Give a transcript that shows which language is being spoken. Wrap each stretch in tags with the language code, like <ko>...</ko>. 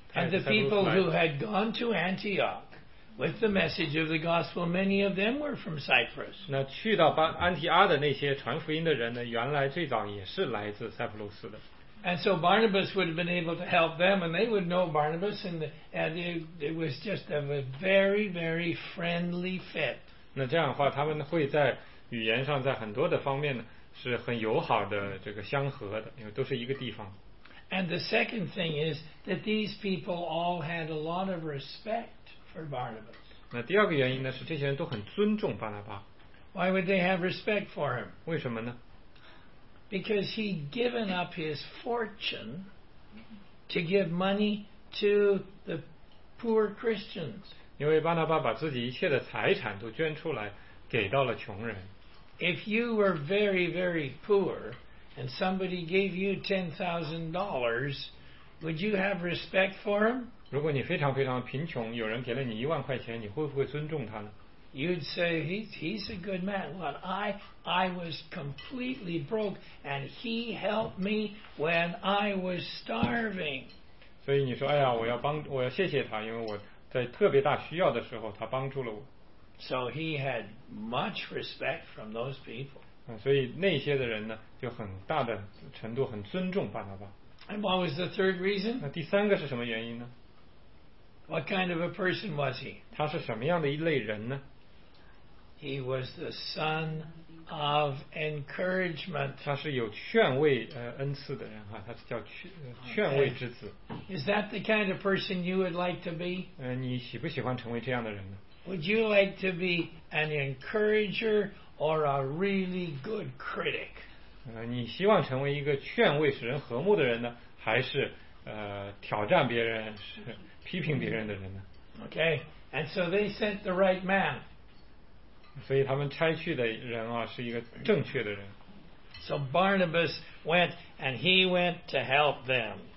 <en>And the people who had gone to Antioch with the message of the gospel, many of them were from Cyprus.</en> <zh>那去到安提阿的那些传福音的人呢，原来最早也是来自塞浦路斯的。</zh> <en>And so Barnabas would have been able to help them, and they would know Barnabas, and it was just a very, very friendly fit.</en> <zh>那这样的话，他们会在语言上，在很多的方面呢，是很友好的这个相合的，因为都是一个地方。</zh> <en>And the second thing is that these people all had a lot of respect for Barnabas.</en> <zh>那第二个原因呢，是这些人都很尊重巴拿巴。</zh> <en>Why would they have respect for him?</en> <zh>为什么呢？</zh> <en>Because he'd given up his fortune to give money to the poor Christians.</en> <zh>因为巴拿巴把自己一切的财产都捐出来，给到了穷人。</zh> <en>If you were very, very poor and somebody gave you $10,000, would you have respect for him?</en> <zh>如果你非常非常贫穷，有人给了你10,000块钱，你会不会尊重他呢？</zh> <en>You'd say he's a good man. Well, I was completely broke, and he helped me when I was starving.</en> <zh>所以你说，哎呀，我要谢谢他，因为我在特别大需要的时候，他帮助了我。</zh> <en>So he had much respect from those people.</en> <zh>所以那些的人呢，就很大的程度很尊重巴拿巴。</zh> <en>And what was the third reason?</en> <zh>那第三个是什么原因呢？</zh> <en>What kind of a person was he?</en> <zh>他是什么样的一类人呢？</zh> <en>He was the son of encouragement.</en> <zh>他是有劝慰恩赐的人哈，他是叫劝慰之子。</zh> <en>Is that the kind of person you would like to be?</en> <zh>你喜不喜欢成为这样的人呢？</zh> <en>Would you like to be an encourager or a really good critic?</en> <zh>你希望成为一个劝慰使人和睦的人呢，还是挑战别人、是批评别人的人呢？</zh> <en>Okay, and so they sent the right man.</en> <zh>所以他们差去的人啊，是一个正确的人。</zh> <en>So Barnabas went, and he went to help them.</en>